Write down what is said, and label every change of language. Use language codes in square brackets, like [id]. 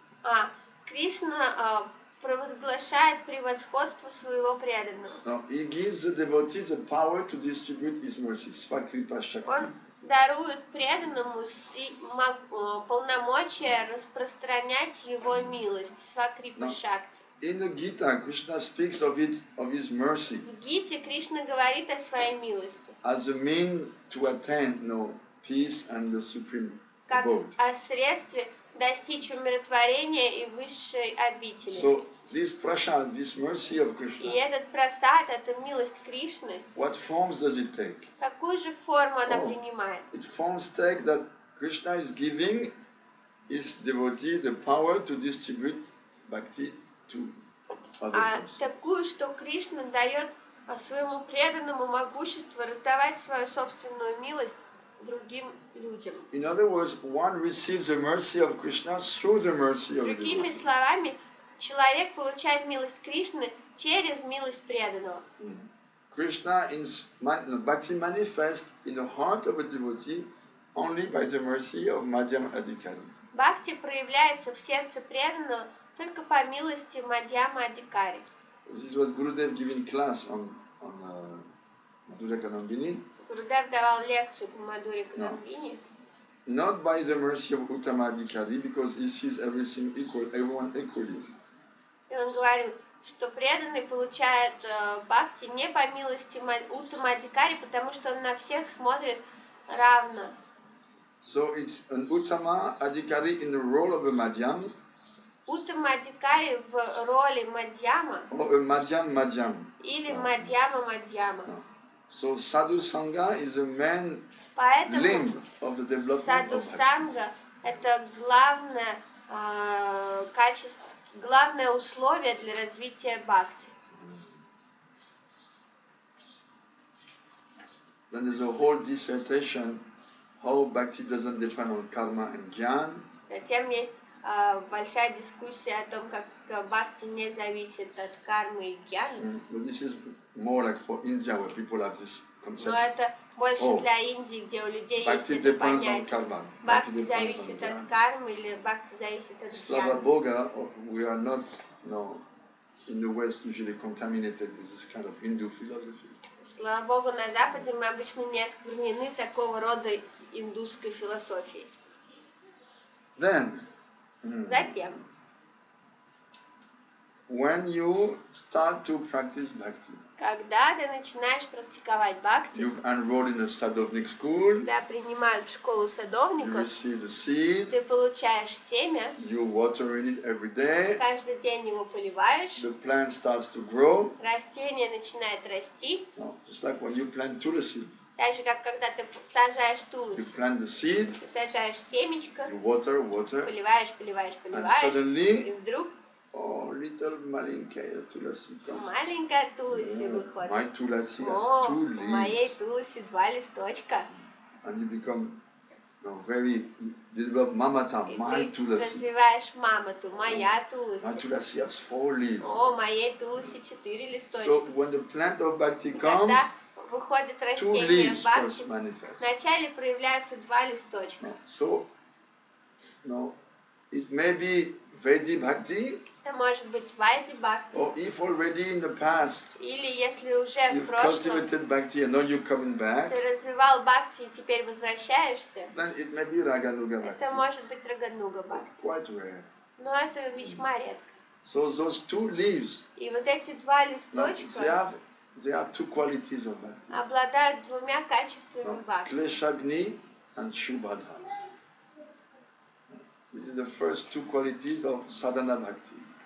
[ru] А Кришна провозглашает превосходство своего преданного. [en] No, he gives the devotee the power to distribute his mercy. Svakripa Shakti. [ru] Он дарует преданному полномочия распространять его милость. [en] Svakripa Shakti. In the Gita, Krishna speaks of it, of his mercy. [ru] В Гите Кришна говорит о своей милости. [en] As a mean to attain, no, peace and the supreme abode. [ru] Как о средстве достичь умиротворения и высшей обители. [en] So this prasad, this mercy of Krishna. [ru] И этот прасад, эта милость Кришны. [en] What forms does it take? [ru] Какую же форму она принимает? [en] It forms take that Krishna is giving his devotee the power to distribute bhakti. [ru] А такую, что Кришна дает своему преданному могущество раздавать свою собственную милость другим людям. [en] In other words, one receives the mercy of Krishna through the mercy of [ru] другими devotees. Словами, человек получает милость Кришны через милость преданного. [en] Krishna bhakti manifests in the heart of a devotee only by the mercy of Madhyam Adhikari. [ru] Бхакти проявляется в сердце преданного только по милости Мадьяма Адикари. [en] This was Gurudev giving class on Madhura Kadambini. [ru] Gurudev давал лекцию по Madhura Kadambini. [en] Not by the mercy of Uttama Adhikari, because he sees everything equal, everyone equally. [ru] И он говорил, что преданный получает бхакти не по милости Уттама Адикари, потому что он на всех смотрит равно. [en] So it's an Uttama Adhikari in the role of a Madhyam. [ru] Уттама Адхикари в роли Мадьяма. [en] Oh, Madhyam, Madhyam. [ru] Или Мадьяма, Мадьяма. [en] No. So Sadhu Sangha is the main [ru] поэтому [en] limb of the development Sadhu of [ru] Sangha это главное качество, главное условие для развития бхакти. [en] Then there's a whole dissertation how bhakti doesn't depend on karma and jnana. [ru] Затем есть большая дискуссия о том, как бхакти не зависит от кармы и джаны. [en] But this is more like for India where people have this concept. [ru] Но это больше для Индии, где у людей есть это понятие. [en] Bhakti depends on karma. [ru] Бхакти зависит от кармы или бхакти зависит от джаны. Slava Boga, [en] we are not, in the West usually contaminated with this kind of Hindu philosophy. [ru] Слава Богу, на Западе мы обычно не осквернены такого рода индусской философией. [en] Then, [ru] затем, [en] when you start to practice bhakti, [ru] когда ты начинаешь практиковать бхакти, [en] you enroll in a sadhavnik school, [ru] тебя принимают в школу садовников, [en] you receive the seed, [ru] ты получаешь семя, [en] you water it every day, [ru] каждый день его поливаешь, [en] the plant starts to grow, [ru] растение начинает расти. [en] It's like when you plant tulsi. [ru] Так же, как когда ты сажаешь тулусь, [en] you plant the seed, [ru] ты сажаешь семечко, [en] you water, water, [ru] поливаешь, поливаешь, поливаешь, [en] and suddenly, [ru] и вдруг, [en] oh, little malinkaya tulasi comes. [ru] Маленькая тулуси выходит. [en] My tulasi has two leaves. [ru] О, моей тулуси два листочка. [en] And you become very develop mamata, my tulasi. [ru] И ты развиваешь мамату, моя тулуси. [en] My tulasi has four leaves. [ru] О, моей тулуси четыре листочка. [en] So when the plant of bhakti comes, [ru] выходит растение бхакти, вначале проявляются два листочка. [en] So, it may be Vedic bhakti. [ru] Это может быть Vedic bhakti. [en] Or if already in the past. [ru] Или если уже в прошлом. [en] You've cultivated bhakti and now you're coming back. [ru] Ты развивал бхакти и теперь возвращаешься. [en] Then it may be Рагануга bhakti. [ru] Это может быть Рагануга bhakti. [en] Quite rare. [ru] Но это весьма редко. [en] So those two leaves. [ru] И вот эти два листочка. [en] They have two qualities of bhakti. [ru] Обладают двумя качествами бхакти. [en] Клешагни and Шубадха. These are the first two qualities of sadhana bhakti.